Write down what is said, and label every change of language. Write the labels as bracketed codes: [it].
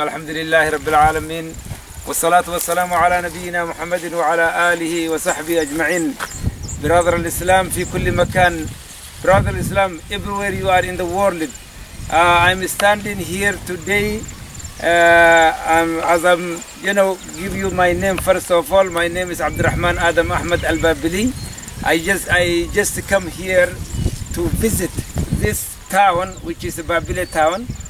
[ar] الحمد لله رب العالمين، والصلاة والسلام على نبينا محمد وعلى آله وصحبه أجمعين. برادر الإسلام في كل مكان، برادر الإسلام [en] everywhere you are in the world. I'm standing here today as I'm, you know, give you my name. First of all, my name is عبد الرحمن آدم أحمد البابلي. I just come here to visit this town, which is Babylon town.